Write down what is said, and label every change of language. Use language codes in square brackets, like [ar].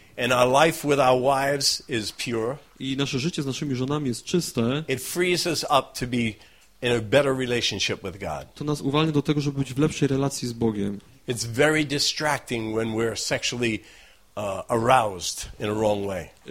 [en] and our life with our wives is pure, [pl] i nasze życie z naszymi żonami jest czyste, [en] it frees us up to be in a better relationship with God. [pl] To nas uwalnia do tego, żeby być w lepszej relacji z Bogiem. [en] It's very distracting when we're sexually aroused in a wrong way.